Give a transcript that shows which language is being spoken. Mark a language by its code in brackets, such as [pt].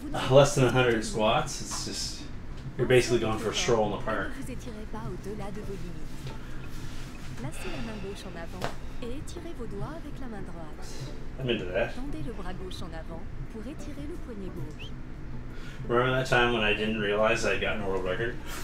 [en] Less than 100 squats, it's just, you're basically going for a stroll in the park. [fr] Placez la main gauche en avant et étirez vos doigts avec la main droite. [en] I'm into that. [fr] Tendez le bras gauche en avant pour étirer le poignet gauche. [en] Remember that time when I didn't realize I'd gotten a world record?